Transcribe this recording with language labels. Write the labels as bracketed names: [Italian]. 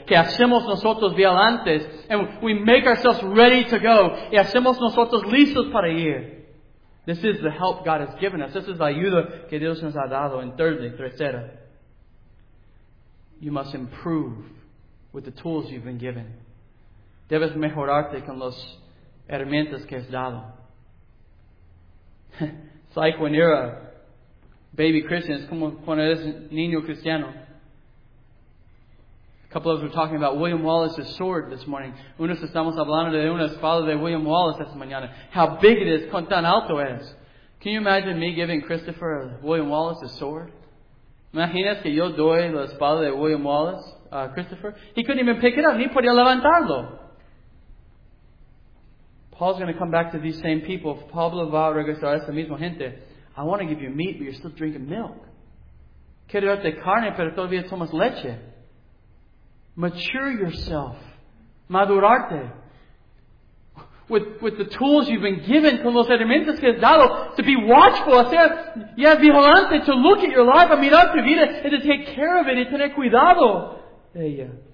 [Spanish] Que hacemos nosotros vigilantes. [English] And we make ourselves ready to go. [Spanish] Y hacemos nosotros listos para ir. [English] This is the help God has given us. This is [Spanish] la ayuda que Dios nos ha dado. [English] And thirdly, tercera. You must improve with the tools you've been given. [Spanish] Debes mejorarte con las herramientas que has dado. [English] It's like when you're a baby Christian. It's [Spanish] como cuando eres niño cristiano. [English] A couple of us were talking about William Wallace's sword this morning. [Spanish] Unos estamos hablando de una espada de William Wallace esta mañana. [English] How big it is, [Spanish] con tan alto es. [English] Can you imagine me giving Christopher William Wallace's sword? [Spanish] Imaginas que yo doy la espada de William Wallace, Christopher? [English] He couldn't even pick it up. [Spanish] Ni podía levantarlo. [English] Paul's going to come back to these same people. [Spanish] Pablo va a regresar a esta misma gente. [English] I want to give you meat, but you're still drinking milk. [Spanish] Quiero darte carne, pero todavía tomas leche. [English] Mature yourself. [Spanish] Madurarte. [English] With the tools you've been given, [Spanish] con los herramientas que has dado, [English] to be watchful, hacer, yeah, vigilante, to look at your life, [Spanish] a mirar tu vida, [English] and to take care of it, [Spanish] y tener cuidado de ella.